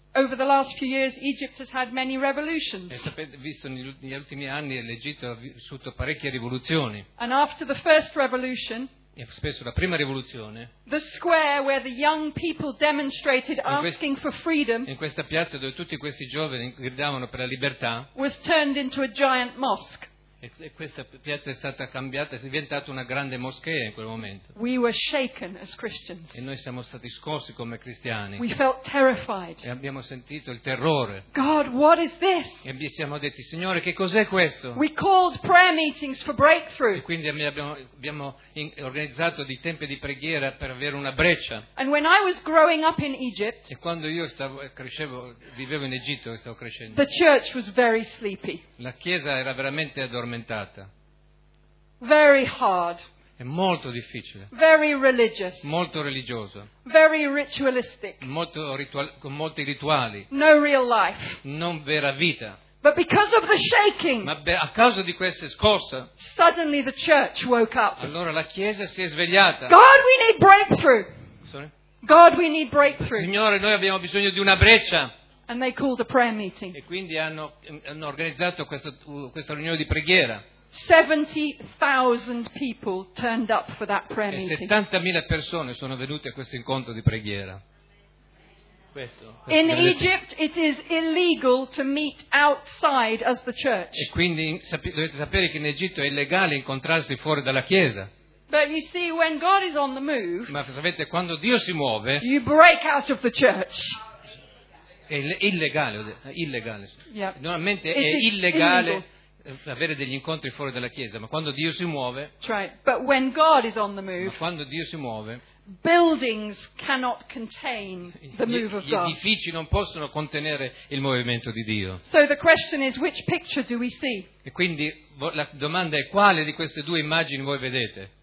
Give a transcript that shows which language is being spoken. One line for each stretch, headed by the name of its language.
English: Over the last few years, Egypt has had many revolutions.
Italian: E sapete, visto negli ultimi anni, l'Egitto ha vissuto parecchie rivoluzioni.
English: And after the first revolution,
Italian: e spesso la prima rivoluzione,
English: the square where the young people demonstrated asking for freedom,
Italian: in questa piazza dove tutti questi giovani gridavano per la libertà,
English: was turned into a giant mosque.
Italian: E questa piazza è stata cambiata, è diventata una grande moschea in quel momento.
English: We were shaken as Christians.
Italian: E noi siamo stati scossi come cristiani.
English: We felt terrified.
Italian: E abbiamo sentito il terrore.
English: God, what is this?
Italian: E ci siamo detti, Signore, che cos'è questo?
English: We called prayer meetings for breakthrough.
Italian: E quindi abbiamo organizzato dei tempi di preghiera per avere una breccia.
English: And when I was growing up in Egypt,
Italian: e quando io vivevo in Egitto e stavo crescendo,
English: the church was very sleepy.
Italian: La chiesa era veramente addormentata.
English: Very hard.
Italian: È molto difficile.
English: Very religious.
Italian: Molto religioso.
English: Very ritualistic.
Italian: Molto con molti rituali.
English: No real life.
Italian: Non vera vita.
English: But because of the shaking.
Italian: Ma a causa di questa scossa.
English: Suddenly the church woke up.
Italian: Allora la chiesa si è svegliata.
English: God, we need breakthrough. Sorry? God, we need breakthrough.
Italian: Signore, noi abbiamo bisogno di una breccia.
English: And they called a prayer meeting.
Italian: E quindi hanno organizzato questa riunione di preghiera.
English: 70,000 people turned up for that prayer meeting.
Italian: 70,000 persone sono venute a questo incontro di preghiera.
English: In Egypt it is illegal to meet outside as the church.
Italian: E quindi dovete sapere che in Egitto è illegale incontrarsi fuori dalla chiesa.
English: But you see, when God is on the move.
Italian: Ma sapete, quando Dio si muove.
English: You break out of the church.
Italian: È illegale.
English: Yep.
Italian: Normalmente è illegale avere degli incontri fuori dalla chiesa, ma quando Dio si muove.
English: Right. But when God is on the move,
Italian: ma quando Dio si muove,
English: buildings cannot contain the move of God.
Italian: Gli edifici non possono contenere il movimento di Dio.
English: So the question is, which picture do we see?
Italian: E quindi la domanda è, quale di queste due immagini voi vedete?